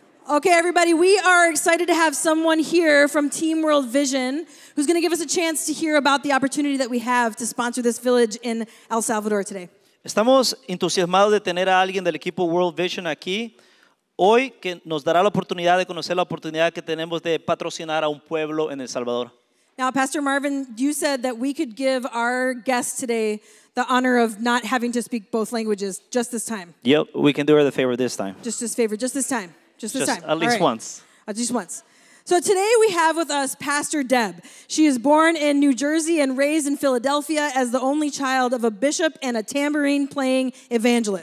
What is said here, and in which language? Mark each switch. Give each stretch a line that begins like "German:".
English: Okay, everybody, we are excited to have someone here from Team World Vision who's going to give us a chance to hear about the opportunity that we have to sponsor this village in El Salvador today.
Spanish: Estamos entusiasmados de tener a alguien del equipo World Vision aquí hoy que nos dará la oportunidad de conocer la oportunidad que tenemos de patrocinar a un pueblo en El Salvador.
English: Now, Pastor Marvin, you said that we could give our guest today the honor of not having to speak both languages just this time. Yep, we can do her the favor this time. Just this favor, just this time. Just once. So today we have with us Pastor Deb. She is born in New Jersey and raised in Philadelphia as the only child of a bishop and a tambourine playing evangelist.